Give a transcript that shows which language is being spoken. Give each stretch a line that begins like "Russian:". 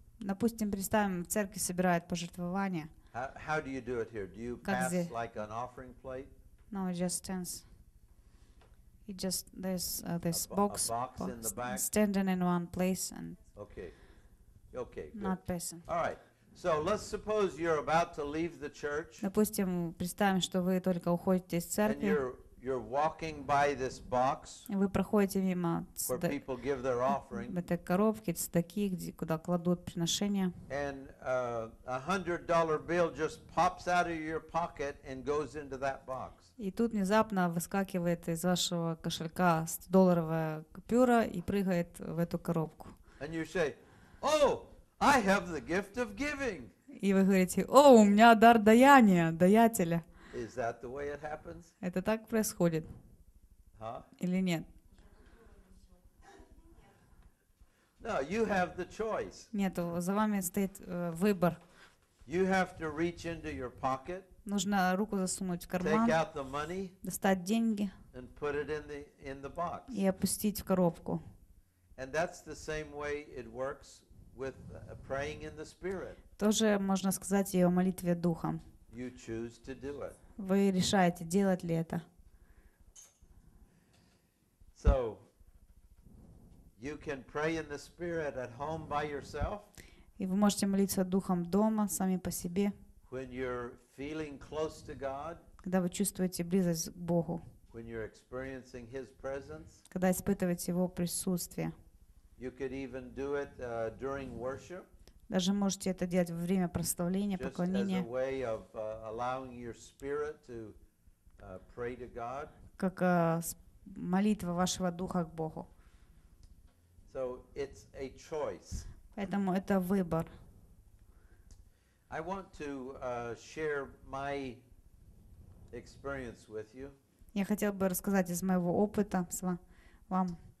Russian: Допустим, представим, в церкви собирают пожертвования.
English: How do you do it here? Do you pass like an offering plate? No, it just stands. It just there's this box in the back. Standing in one place and. Okay. Good. Not passing. All right. So let's suppose you're about to leave the church.
Russian: Допустим, представим, что вы только уходите из церкви.
English: And you're walking by this box.
Russian: И вы проходите мимо
English: where people give their offering.
Russian: Этой коробки, цдаки, куда кладут приношения.
English: And $100 bill just pops out of your pocket and goes into that box.
Russian: И тут внезапно выскакивает из вашего кошелька $100 купюра и прыгает в эту коробку.
English: And you say, oh! I have the gift of giving.
Russian: И вы говорите, о, у меня дар даяния, даятеля.
English: Is that the way it happens?
Russian: Это так происходит? Huh? Или нет?
English: No, you have the choice.
Russian: Нет, за вами стоит выбор.
English: You have to reach into your pocket.
Russian: Нужно руку засунуть в карман.
English: Take out the money.
Russian: Достать деньги.
English: And put it in the box.
Russian: И опустить в коробку.
English: And that's the same way it works. With praying in the Spirit.
Russian: Тоже можно сказать и о молитве Духом.
English: You choose to do it.
Russian: Вы решаете, делать ли это.
English: So, you can pray in the Spirit at home by yourself.
Russian: И вы можете молиться Духом дома, сами по себе.
English: When you're feeling close to God.
Russian: Когда вы чувствуете близость к Богу.
English: When you're experiencing His presence.
Russian: Когда испытываете Его присутствие.
English: You could even do it during worship.
Russian: Даже можете это делать во время прославления, поклонения.
English: Just as a way of allowing your spirit to pray to God.
Russian: Как молитва вашего духа к Богу.
English: So it's a choice.
Russian: Поэтому это выбор.
English: I want to share my experience with you.
Russian: Я хотел бы рассказать из моего опыта с вам.